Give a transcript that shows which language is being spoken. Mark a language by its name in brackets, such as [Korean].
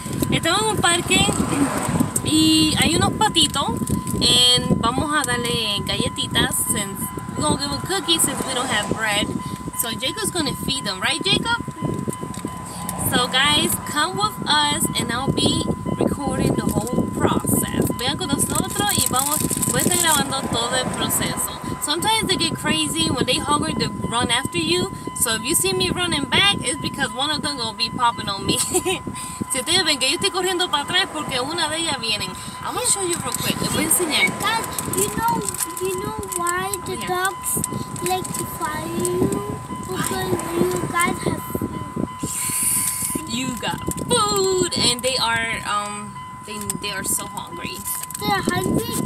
[Spanish] Estamos en un parque y hay unos patitos and vamos a darle galletitas [English] since we're gonna give them cookies since we don't have bread. So Jacob's gonna feed them, right Jacob? So guys, come with us and I'll be recording the whole process. [Spanish] Vean con nosotros y vamos, voy a estar grabando todo el proceso. [English] Sometimes they get crazy when they hunger, they run after you. So if you see me running back, it's because one of them gonna be popping on me. [Spanish] Si ustedes ven que yo estoy corriendo para atrás porque una de ellas vienen. [English] I'm gonna show you real quick. [Spanish] Les voy a enseñar. [English] Guys, you know why the dogs like to follow you? Because you guys have food. You got food and they are so hungry. They're hungry.